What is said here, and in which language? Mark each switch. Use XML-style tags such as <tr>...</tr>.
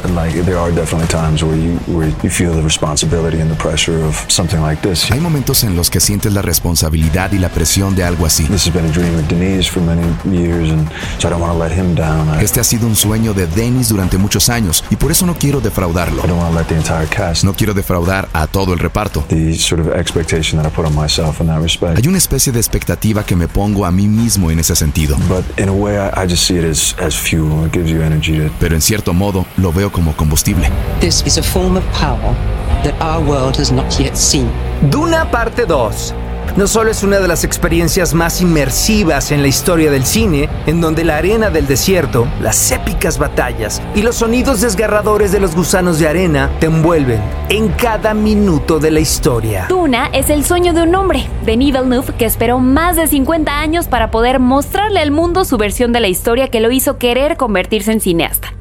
<en>Like, there are definitely times where you feel the responsibility and the pressure of something like this.</en> <es>Hay momentos en los que sientes la responsabilidad y la presión de algo así.</es> <en>This has been a dream of Denise for many years, and so I don't want to let him down.</en> <es>Este ha sido un sueño de Denis durante muchos años y por eso no quiero defraudarlo.</es> <en>I don't want to let the entire cast.</en> <es>No quiero defraudar a todo el reparto.</es> <en>The sort of expectation that I put on myself in that respect.</en> <es>Hay una especie de expectativa que me pongo a mí mismo en ese sentido.</es> <en>But in a way I just see it as fuel. It gives you energy to.</en> <es>Pero en cierto modo lo veo como combustible.</es> <en>This is a form of power that our world has not yet seen.</en> <es>Duna parte 2. No solo es una de las experiencias más inmersivas en la historia del cine, en donde la arena del desierto, las épicas batallas y los sonidos desgarradores de los gusanos de arena te envuelven en cada minuto de la historia. Duna es el sueño de un hombre, Denis Villeneuve, que esperó más de 50 años para poder mostrarle al mundo su versión de la historia que lo hizo querer convertirse en cineasta.</es>